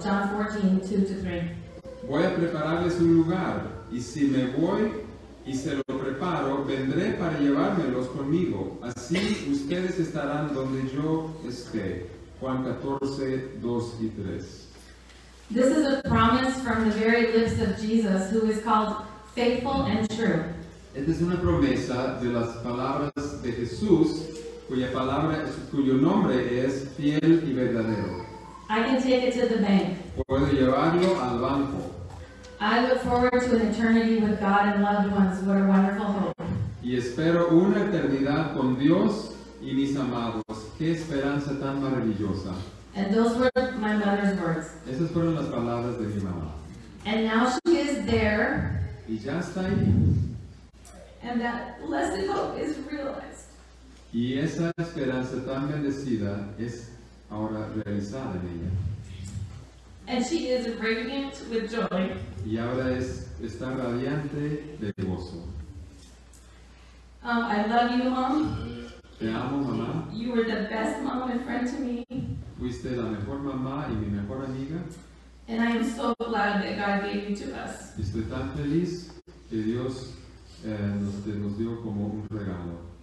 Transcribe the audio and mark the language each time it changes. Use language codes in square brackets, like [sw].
[en] John 14, 2-3. [es] Voy a prepararles un lugar. Y si me voy y se lo preparo, vendré para llevármelos conmigo. Así ustedes estarán donde yo esté. Juan 14, 2 y 3. [en] This is a promise from the very lips of Jesus, who is called faithful and true. [es] Esta es una promesa de las palabras de Jesús, cuyo nombre es fiel y verdadero. [en] I can take it to the bank. [es] Puedo llevarlo al banco. [en] I look forward to an eternity with God and loved ones. What a wonderful hope. [es] Y espero una eternidad con Dios y mis amados. ¡Qué esperanza tan maravillosa! [en] And those were my mother's words. [es] Esas fueron las palabras de mi mamá. [en] And now she is there. [es] Y ya está ahí. [en] And that blessed hope is realized. [es] Y esa esperanza tan bendecida es ahora realizada en ella. [en] And she is radiant with joy. [es] Y ahora está radiante de gozo. [en] I love you, Mom. [es] Te amo, mamá. [en] You were the best mom and friend to me. [es] Fuiste la mejor mamá y mi mejor amiga. [en] And I am so glad that God gave you to us. [es] Estoy tan feliz que Dios nos dio como un regalo.